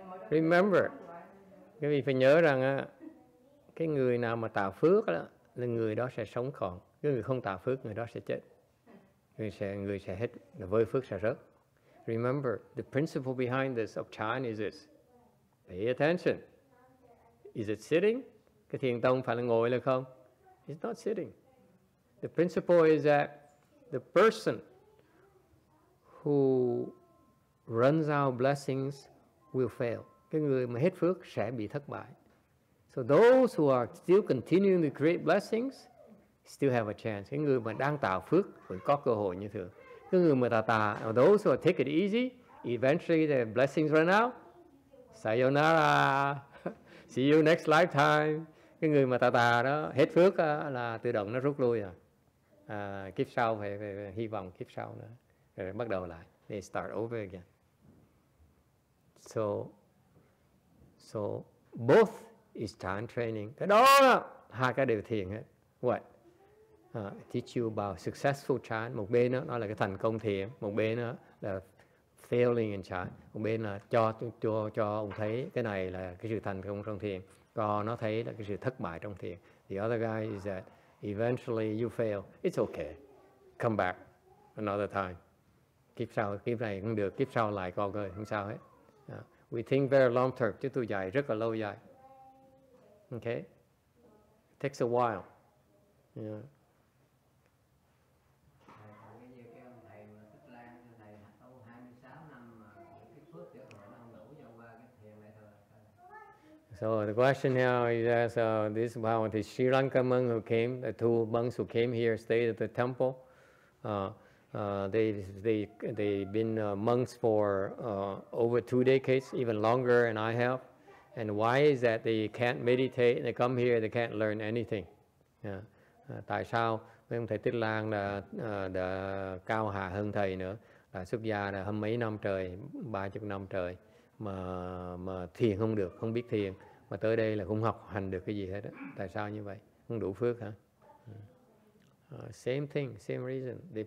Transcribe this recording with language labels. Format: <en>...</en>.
<vi>Remember, quý vị phải nhớ rằng á, cái người nào mà tạo phước đó, là người đó sẽ sống còn, cái người không tạo phước người đó sẽ chết, người sẽ hết, vơi phước sẽ rớt.</vi> <en>Remember, the principle behind this of chan is this. Pay attention. Is it sitting?</en> <vi>Cái thiền tông phải là ngồi là không?</vi> <en>It's not sitting. The principle is that the person who runs out blessings will fail.</en> <vi>Cái người mà hết phước sẽ bị thất bại.</vi> <en>So those who are still continuing to create blessings still have a chance.</en> <vi>Cái người mà đang tạo phước vẫn có cơ hội như thường. Cái người mà tà,</vi> <en>those who take it easy, eventually their blessings run out. Sayonara. See you next lifetime.</en> <vi>Cái người mà tà đó, hết phước là tự động nó rút lui rồi. Kiếp sau phải hy vọng kiếp sau nữa. Rồi bắt đầu lại.</vi> <en>They start over again. So both is chan training.</en> <vi>Cái đó là hai cái điều thiền hết.</vi> <en>What? Teach you about successful chan.</en> <vi>Một bên đó, nó là cái thành công thiền. Một bên đó là</vi> <en>failing in chan.</en> <vi>Một bên là cho ông thấy cái này là cái sự thành công trong thiền. Còn nó thấy là cái sự thất bại trong thiền.</vi> <en>The other guy is that eventually you fail. It's okay. Come back another time.</en> <vi>Kiếp sau, kiếp này cũng được. Kiếp sau lại còn rồi, không sao hết.</vi> <en>We think very long term.</en> <vi>Chứ tôi dài, rất là lâu dài.</vi> <en>Okay? Takes a while. Yeah. So the question now is this about the Sri Lanka monk who came, the two monks who came here, stayed at the temple. They've been monks for over two decades, even longer than I have. And why is that they can't meditate, they come here, they can't learn anything?</en> <vi>Tại sao mấy ông thầy Tích Lan đã cao hạ hơn thầy nữa, là xuất gia là hơn mấy năm trời, 30 năm trời, mà thiền không được, không biết thiền. Mà tới đây là không học hành được cái gì hết á. Tại sao như vậy? Không đủ phước hả?</vi> <en>Same thing, same reason.</en>